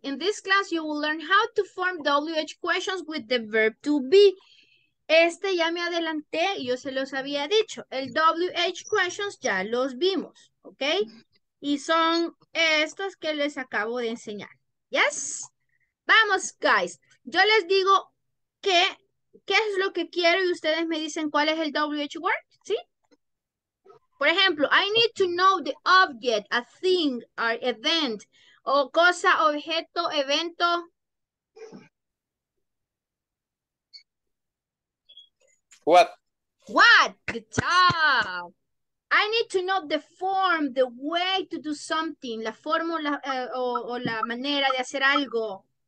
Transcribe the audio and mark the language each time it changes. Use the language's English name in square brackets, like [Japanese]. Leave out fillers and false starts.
[English] In this class, you will learn how to form WH questions with the verb to be. [Spanish] Este ya me adelanté y yo se los había dicho. El WH questions ya los vimos. Ok. Y son estos que les acabo de enseñar. ¿Yes? Vamos, guys. Yo les digo qué es lo que quiero y ustedes me dicen cuál es el WH word, ¿sí? Por ejemplo, [English] I need to know the object, a thing, or event, [Spanish] o cosa, objeto, evento. [English] What? What? Good job. I need to know the form, the way to do something. [Spanish] La fórmula o la manera de hacer algo.